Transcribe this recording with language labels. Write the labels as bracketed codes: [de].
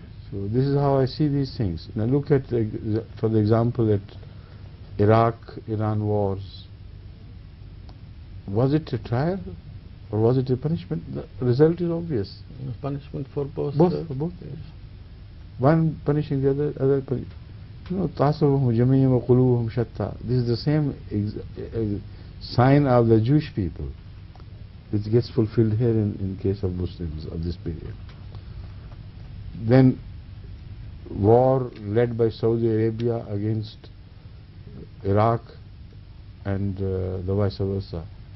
[en] So this is how I see these things. Now look at, for the example, at Iraq-Iran wars. Was it a trial or was it a punishment? The result is obvious. Punishment for both. Both. Yes. One punishing the other punishment. You know, [ar] تَعْصَبُهُمْ جَمِيعًا وَقُلُوبُهُمْ شَتَّى. [en] This is the same sign of the Jewish people, which gets fulfilled here in case of Muslims of this period. Then war led by Saudi Arabia against Iraq and the vice versa.